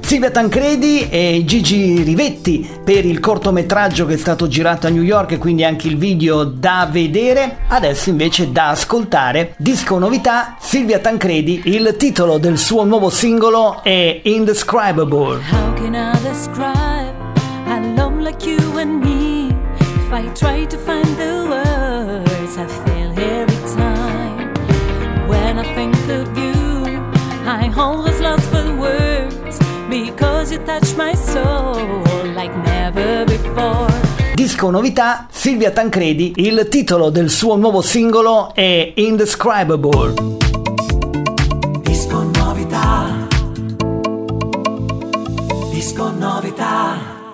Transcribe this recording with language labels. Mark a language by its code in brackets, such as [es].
[it] Silvia Tancredi e Gigi Rivetti per il cortometraggio che è stato girato a New York, e quindi anche il video da vedere. Adesso invece da ascoltare, disco novità, Silvia Tancredi. Il titolo del suo nuovo singolo è Indescribable. [en] How can I describe a love like you and me? I try to find the words, I fail every time. When I think of you, I always lost for words, because you touch my soul like never before. [it] Disco novità, Silvia Tancredi. Il titolo del suo nuovo singolo è Indescribable. Disco novità. Disco novità.